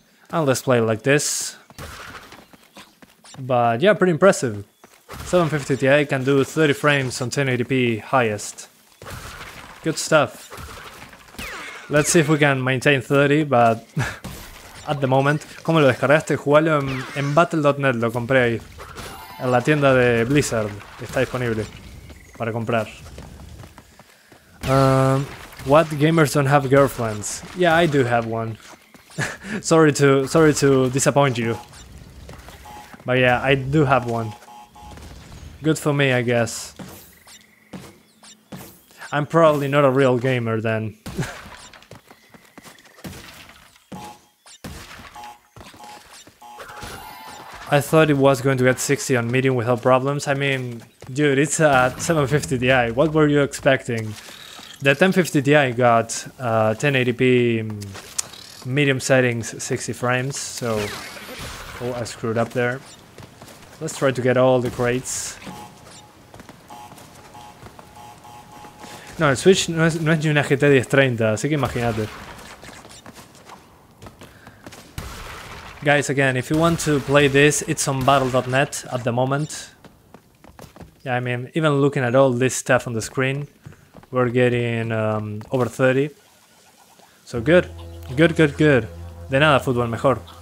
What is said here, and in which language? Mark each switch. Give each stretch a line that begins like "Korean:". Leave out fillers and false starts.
English: And let's play like this. But yeah, pretty impressive. 750 Ti can do 30 frames on 1080p highest. Good stuff. Let's see if we can maintain 30, but at the moment.
Spanish: ¿Cómo lo descargaste? Jugalo en Battle.net, lo compré ahí. En la tienda de Blizzard, está disponible para comprar.
English: What gamers don't have girlfriends? Yeah, I do have one. sorry to disappoint you. But yeah, I do have one. Good for me, I guess. I'm probably not a real gamer then. I thought it was going to get 60 on medium without problems. I mean, dude, it's at 750 Ti. What were you expecting? The 1050 Ti got 1080p medium settings, 60 frames. So, oh, I screwed up there. Let's try to get all the crates.
Spanish: No, el Switch no es ni una GT 1030, así que imagínate.
English: Guys, again, if you want to play this, it's on battle.net at the moment. Yeah, I mean, even looking at all this stuff on the screen, we're getting over 30. So good. Good, good, good.
Spanish: De nada, fútbol, mejor.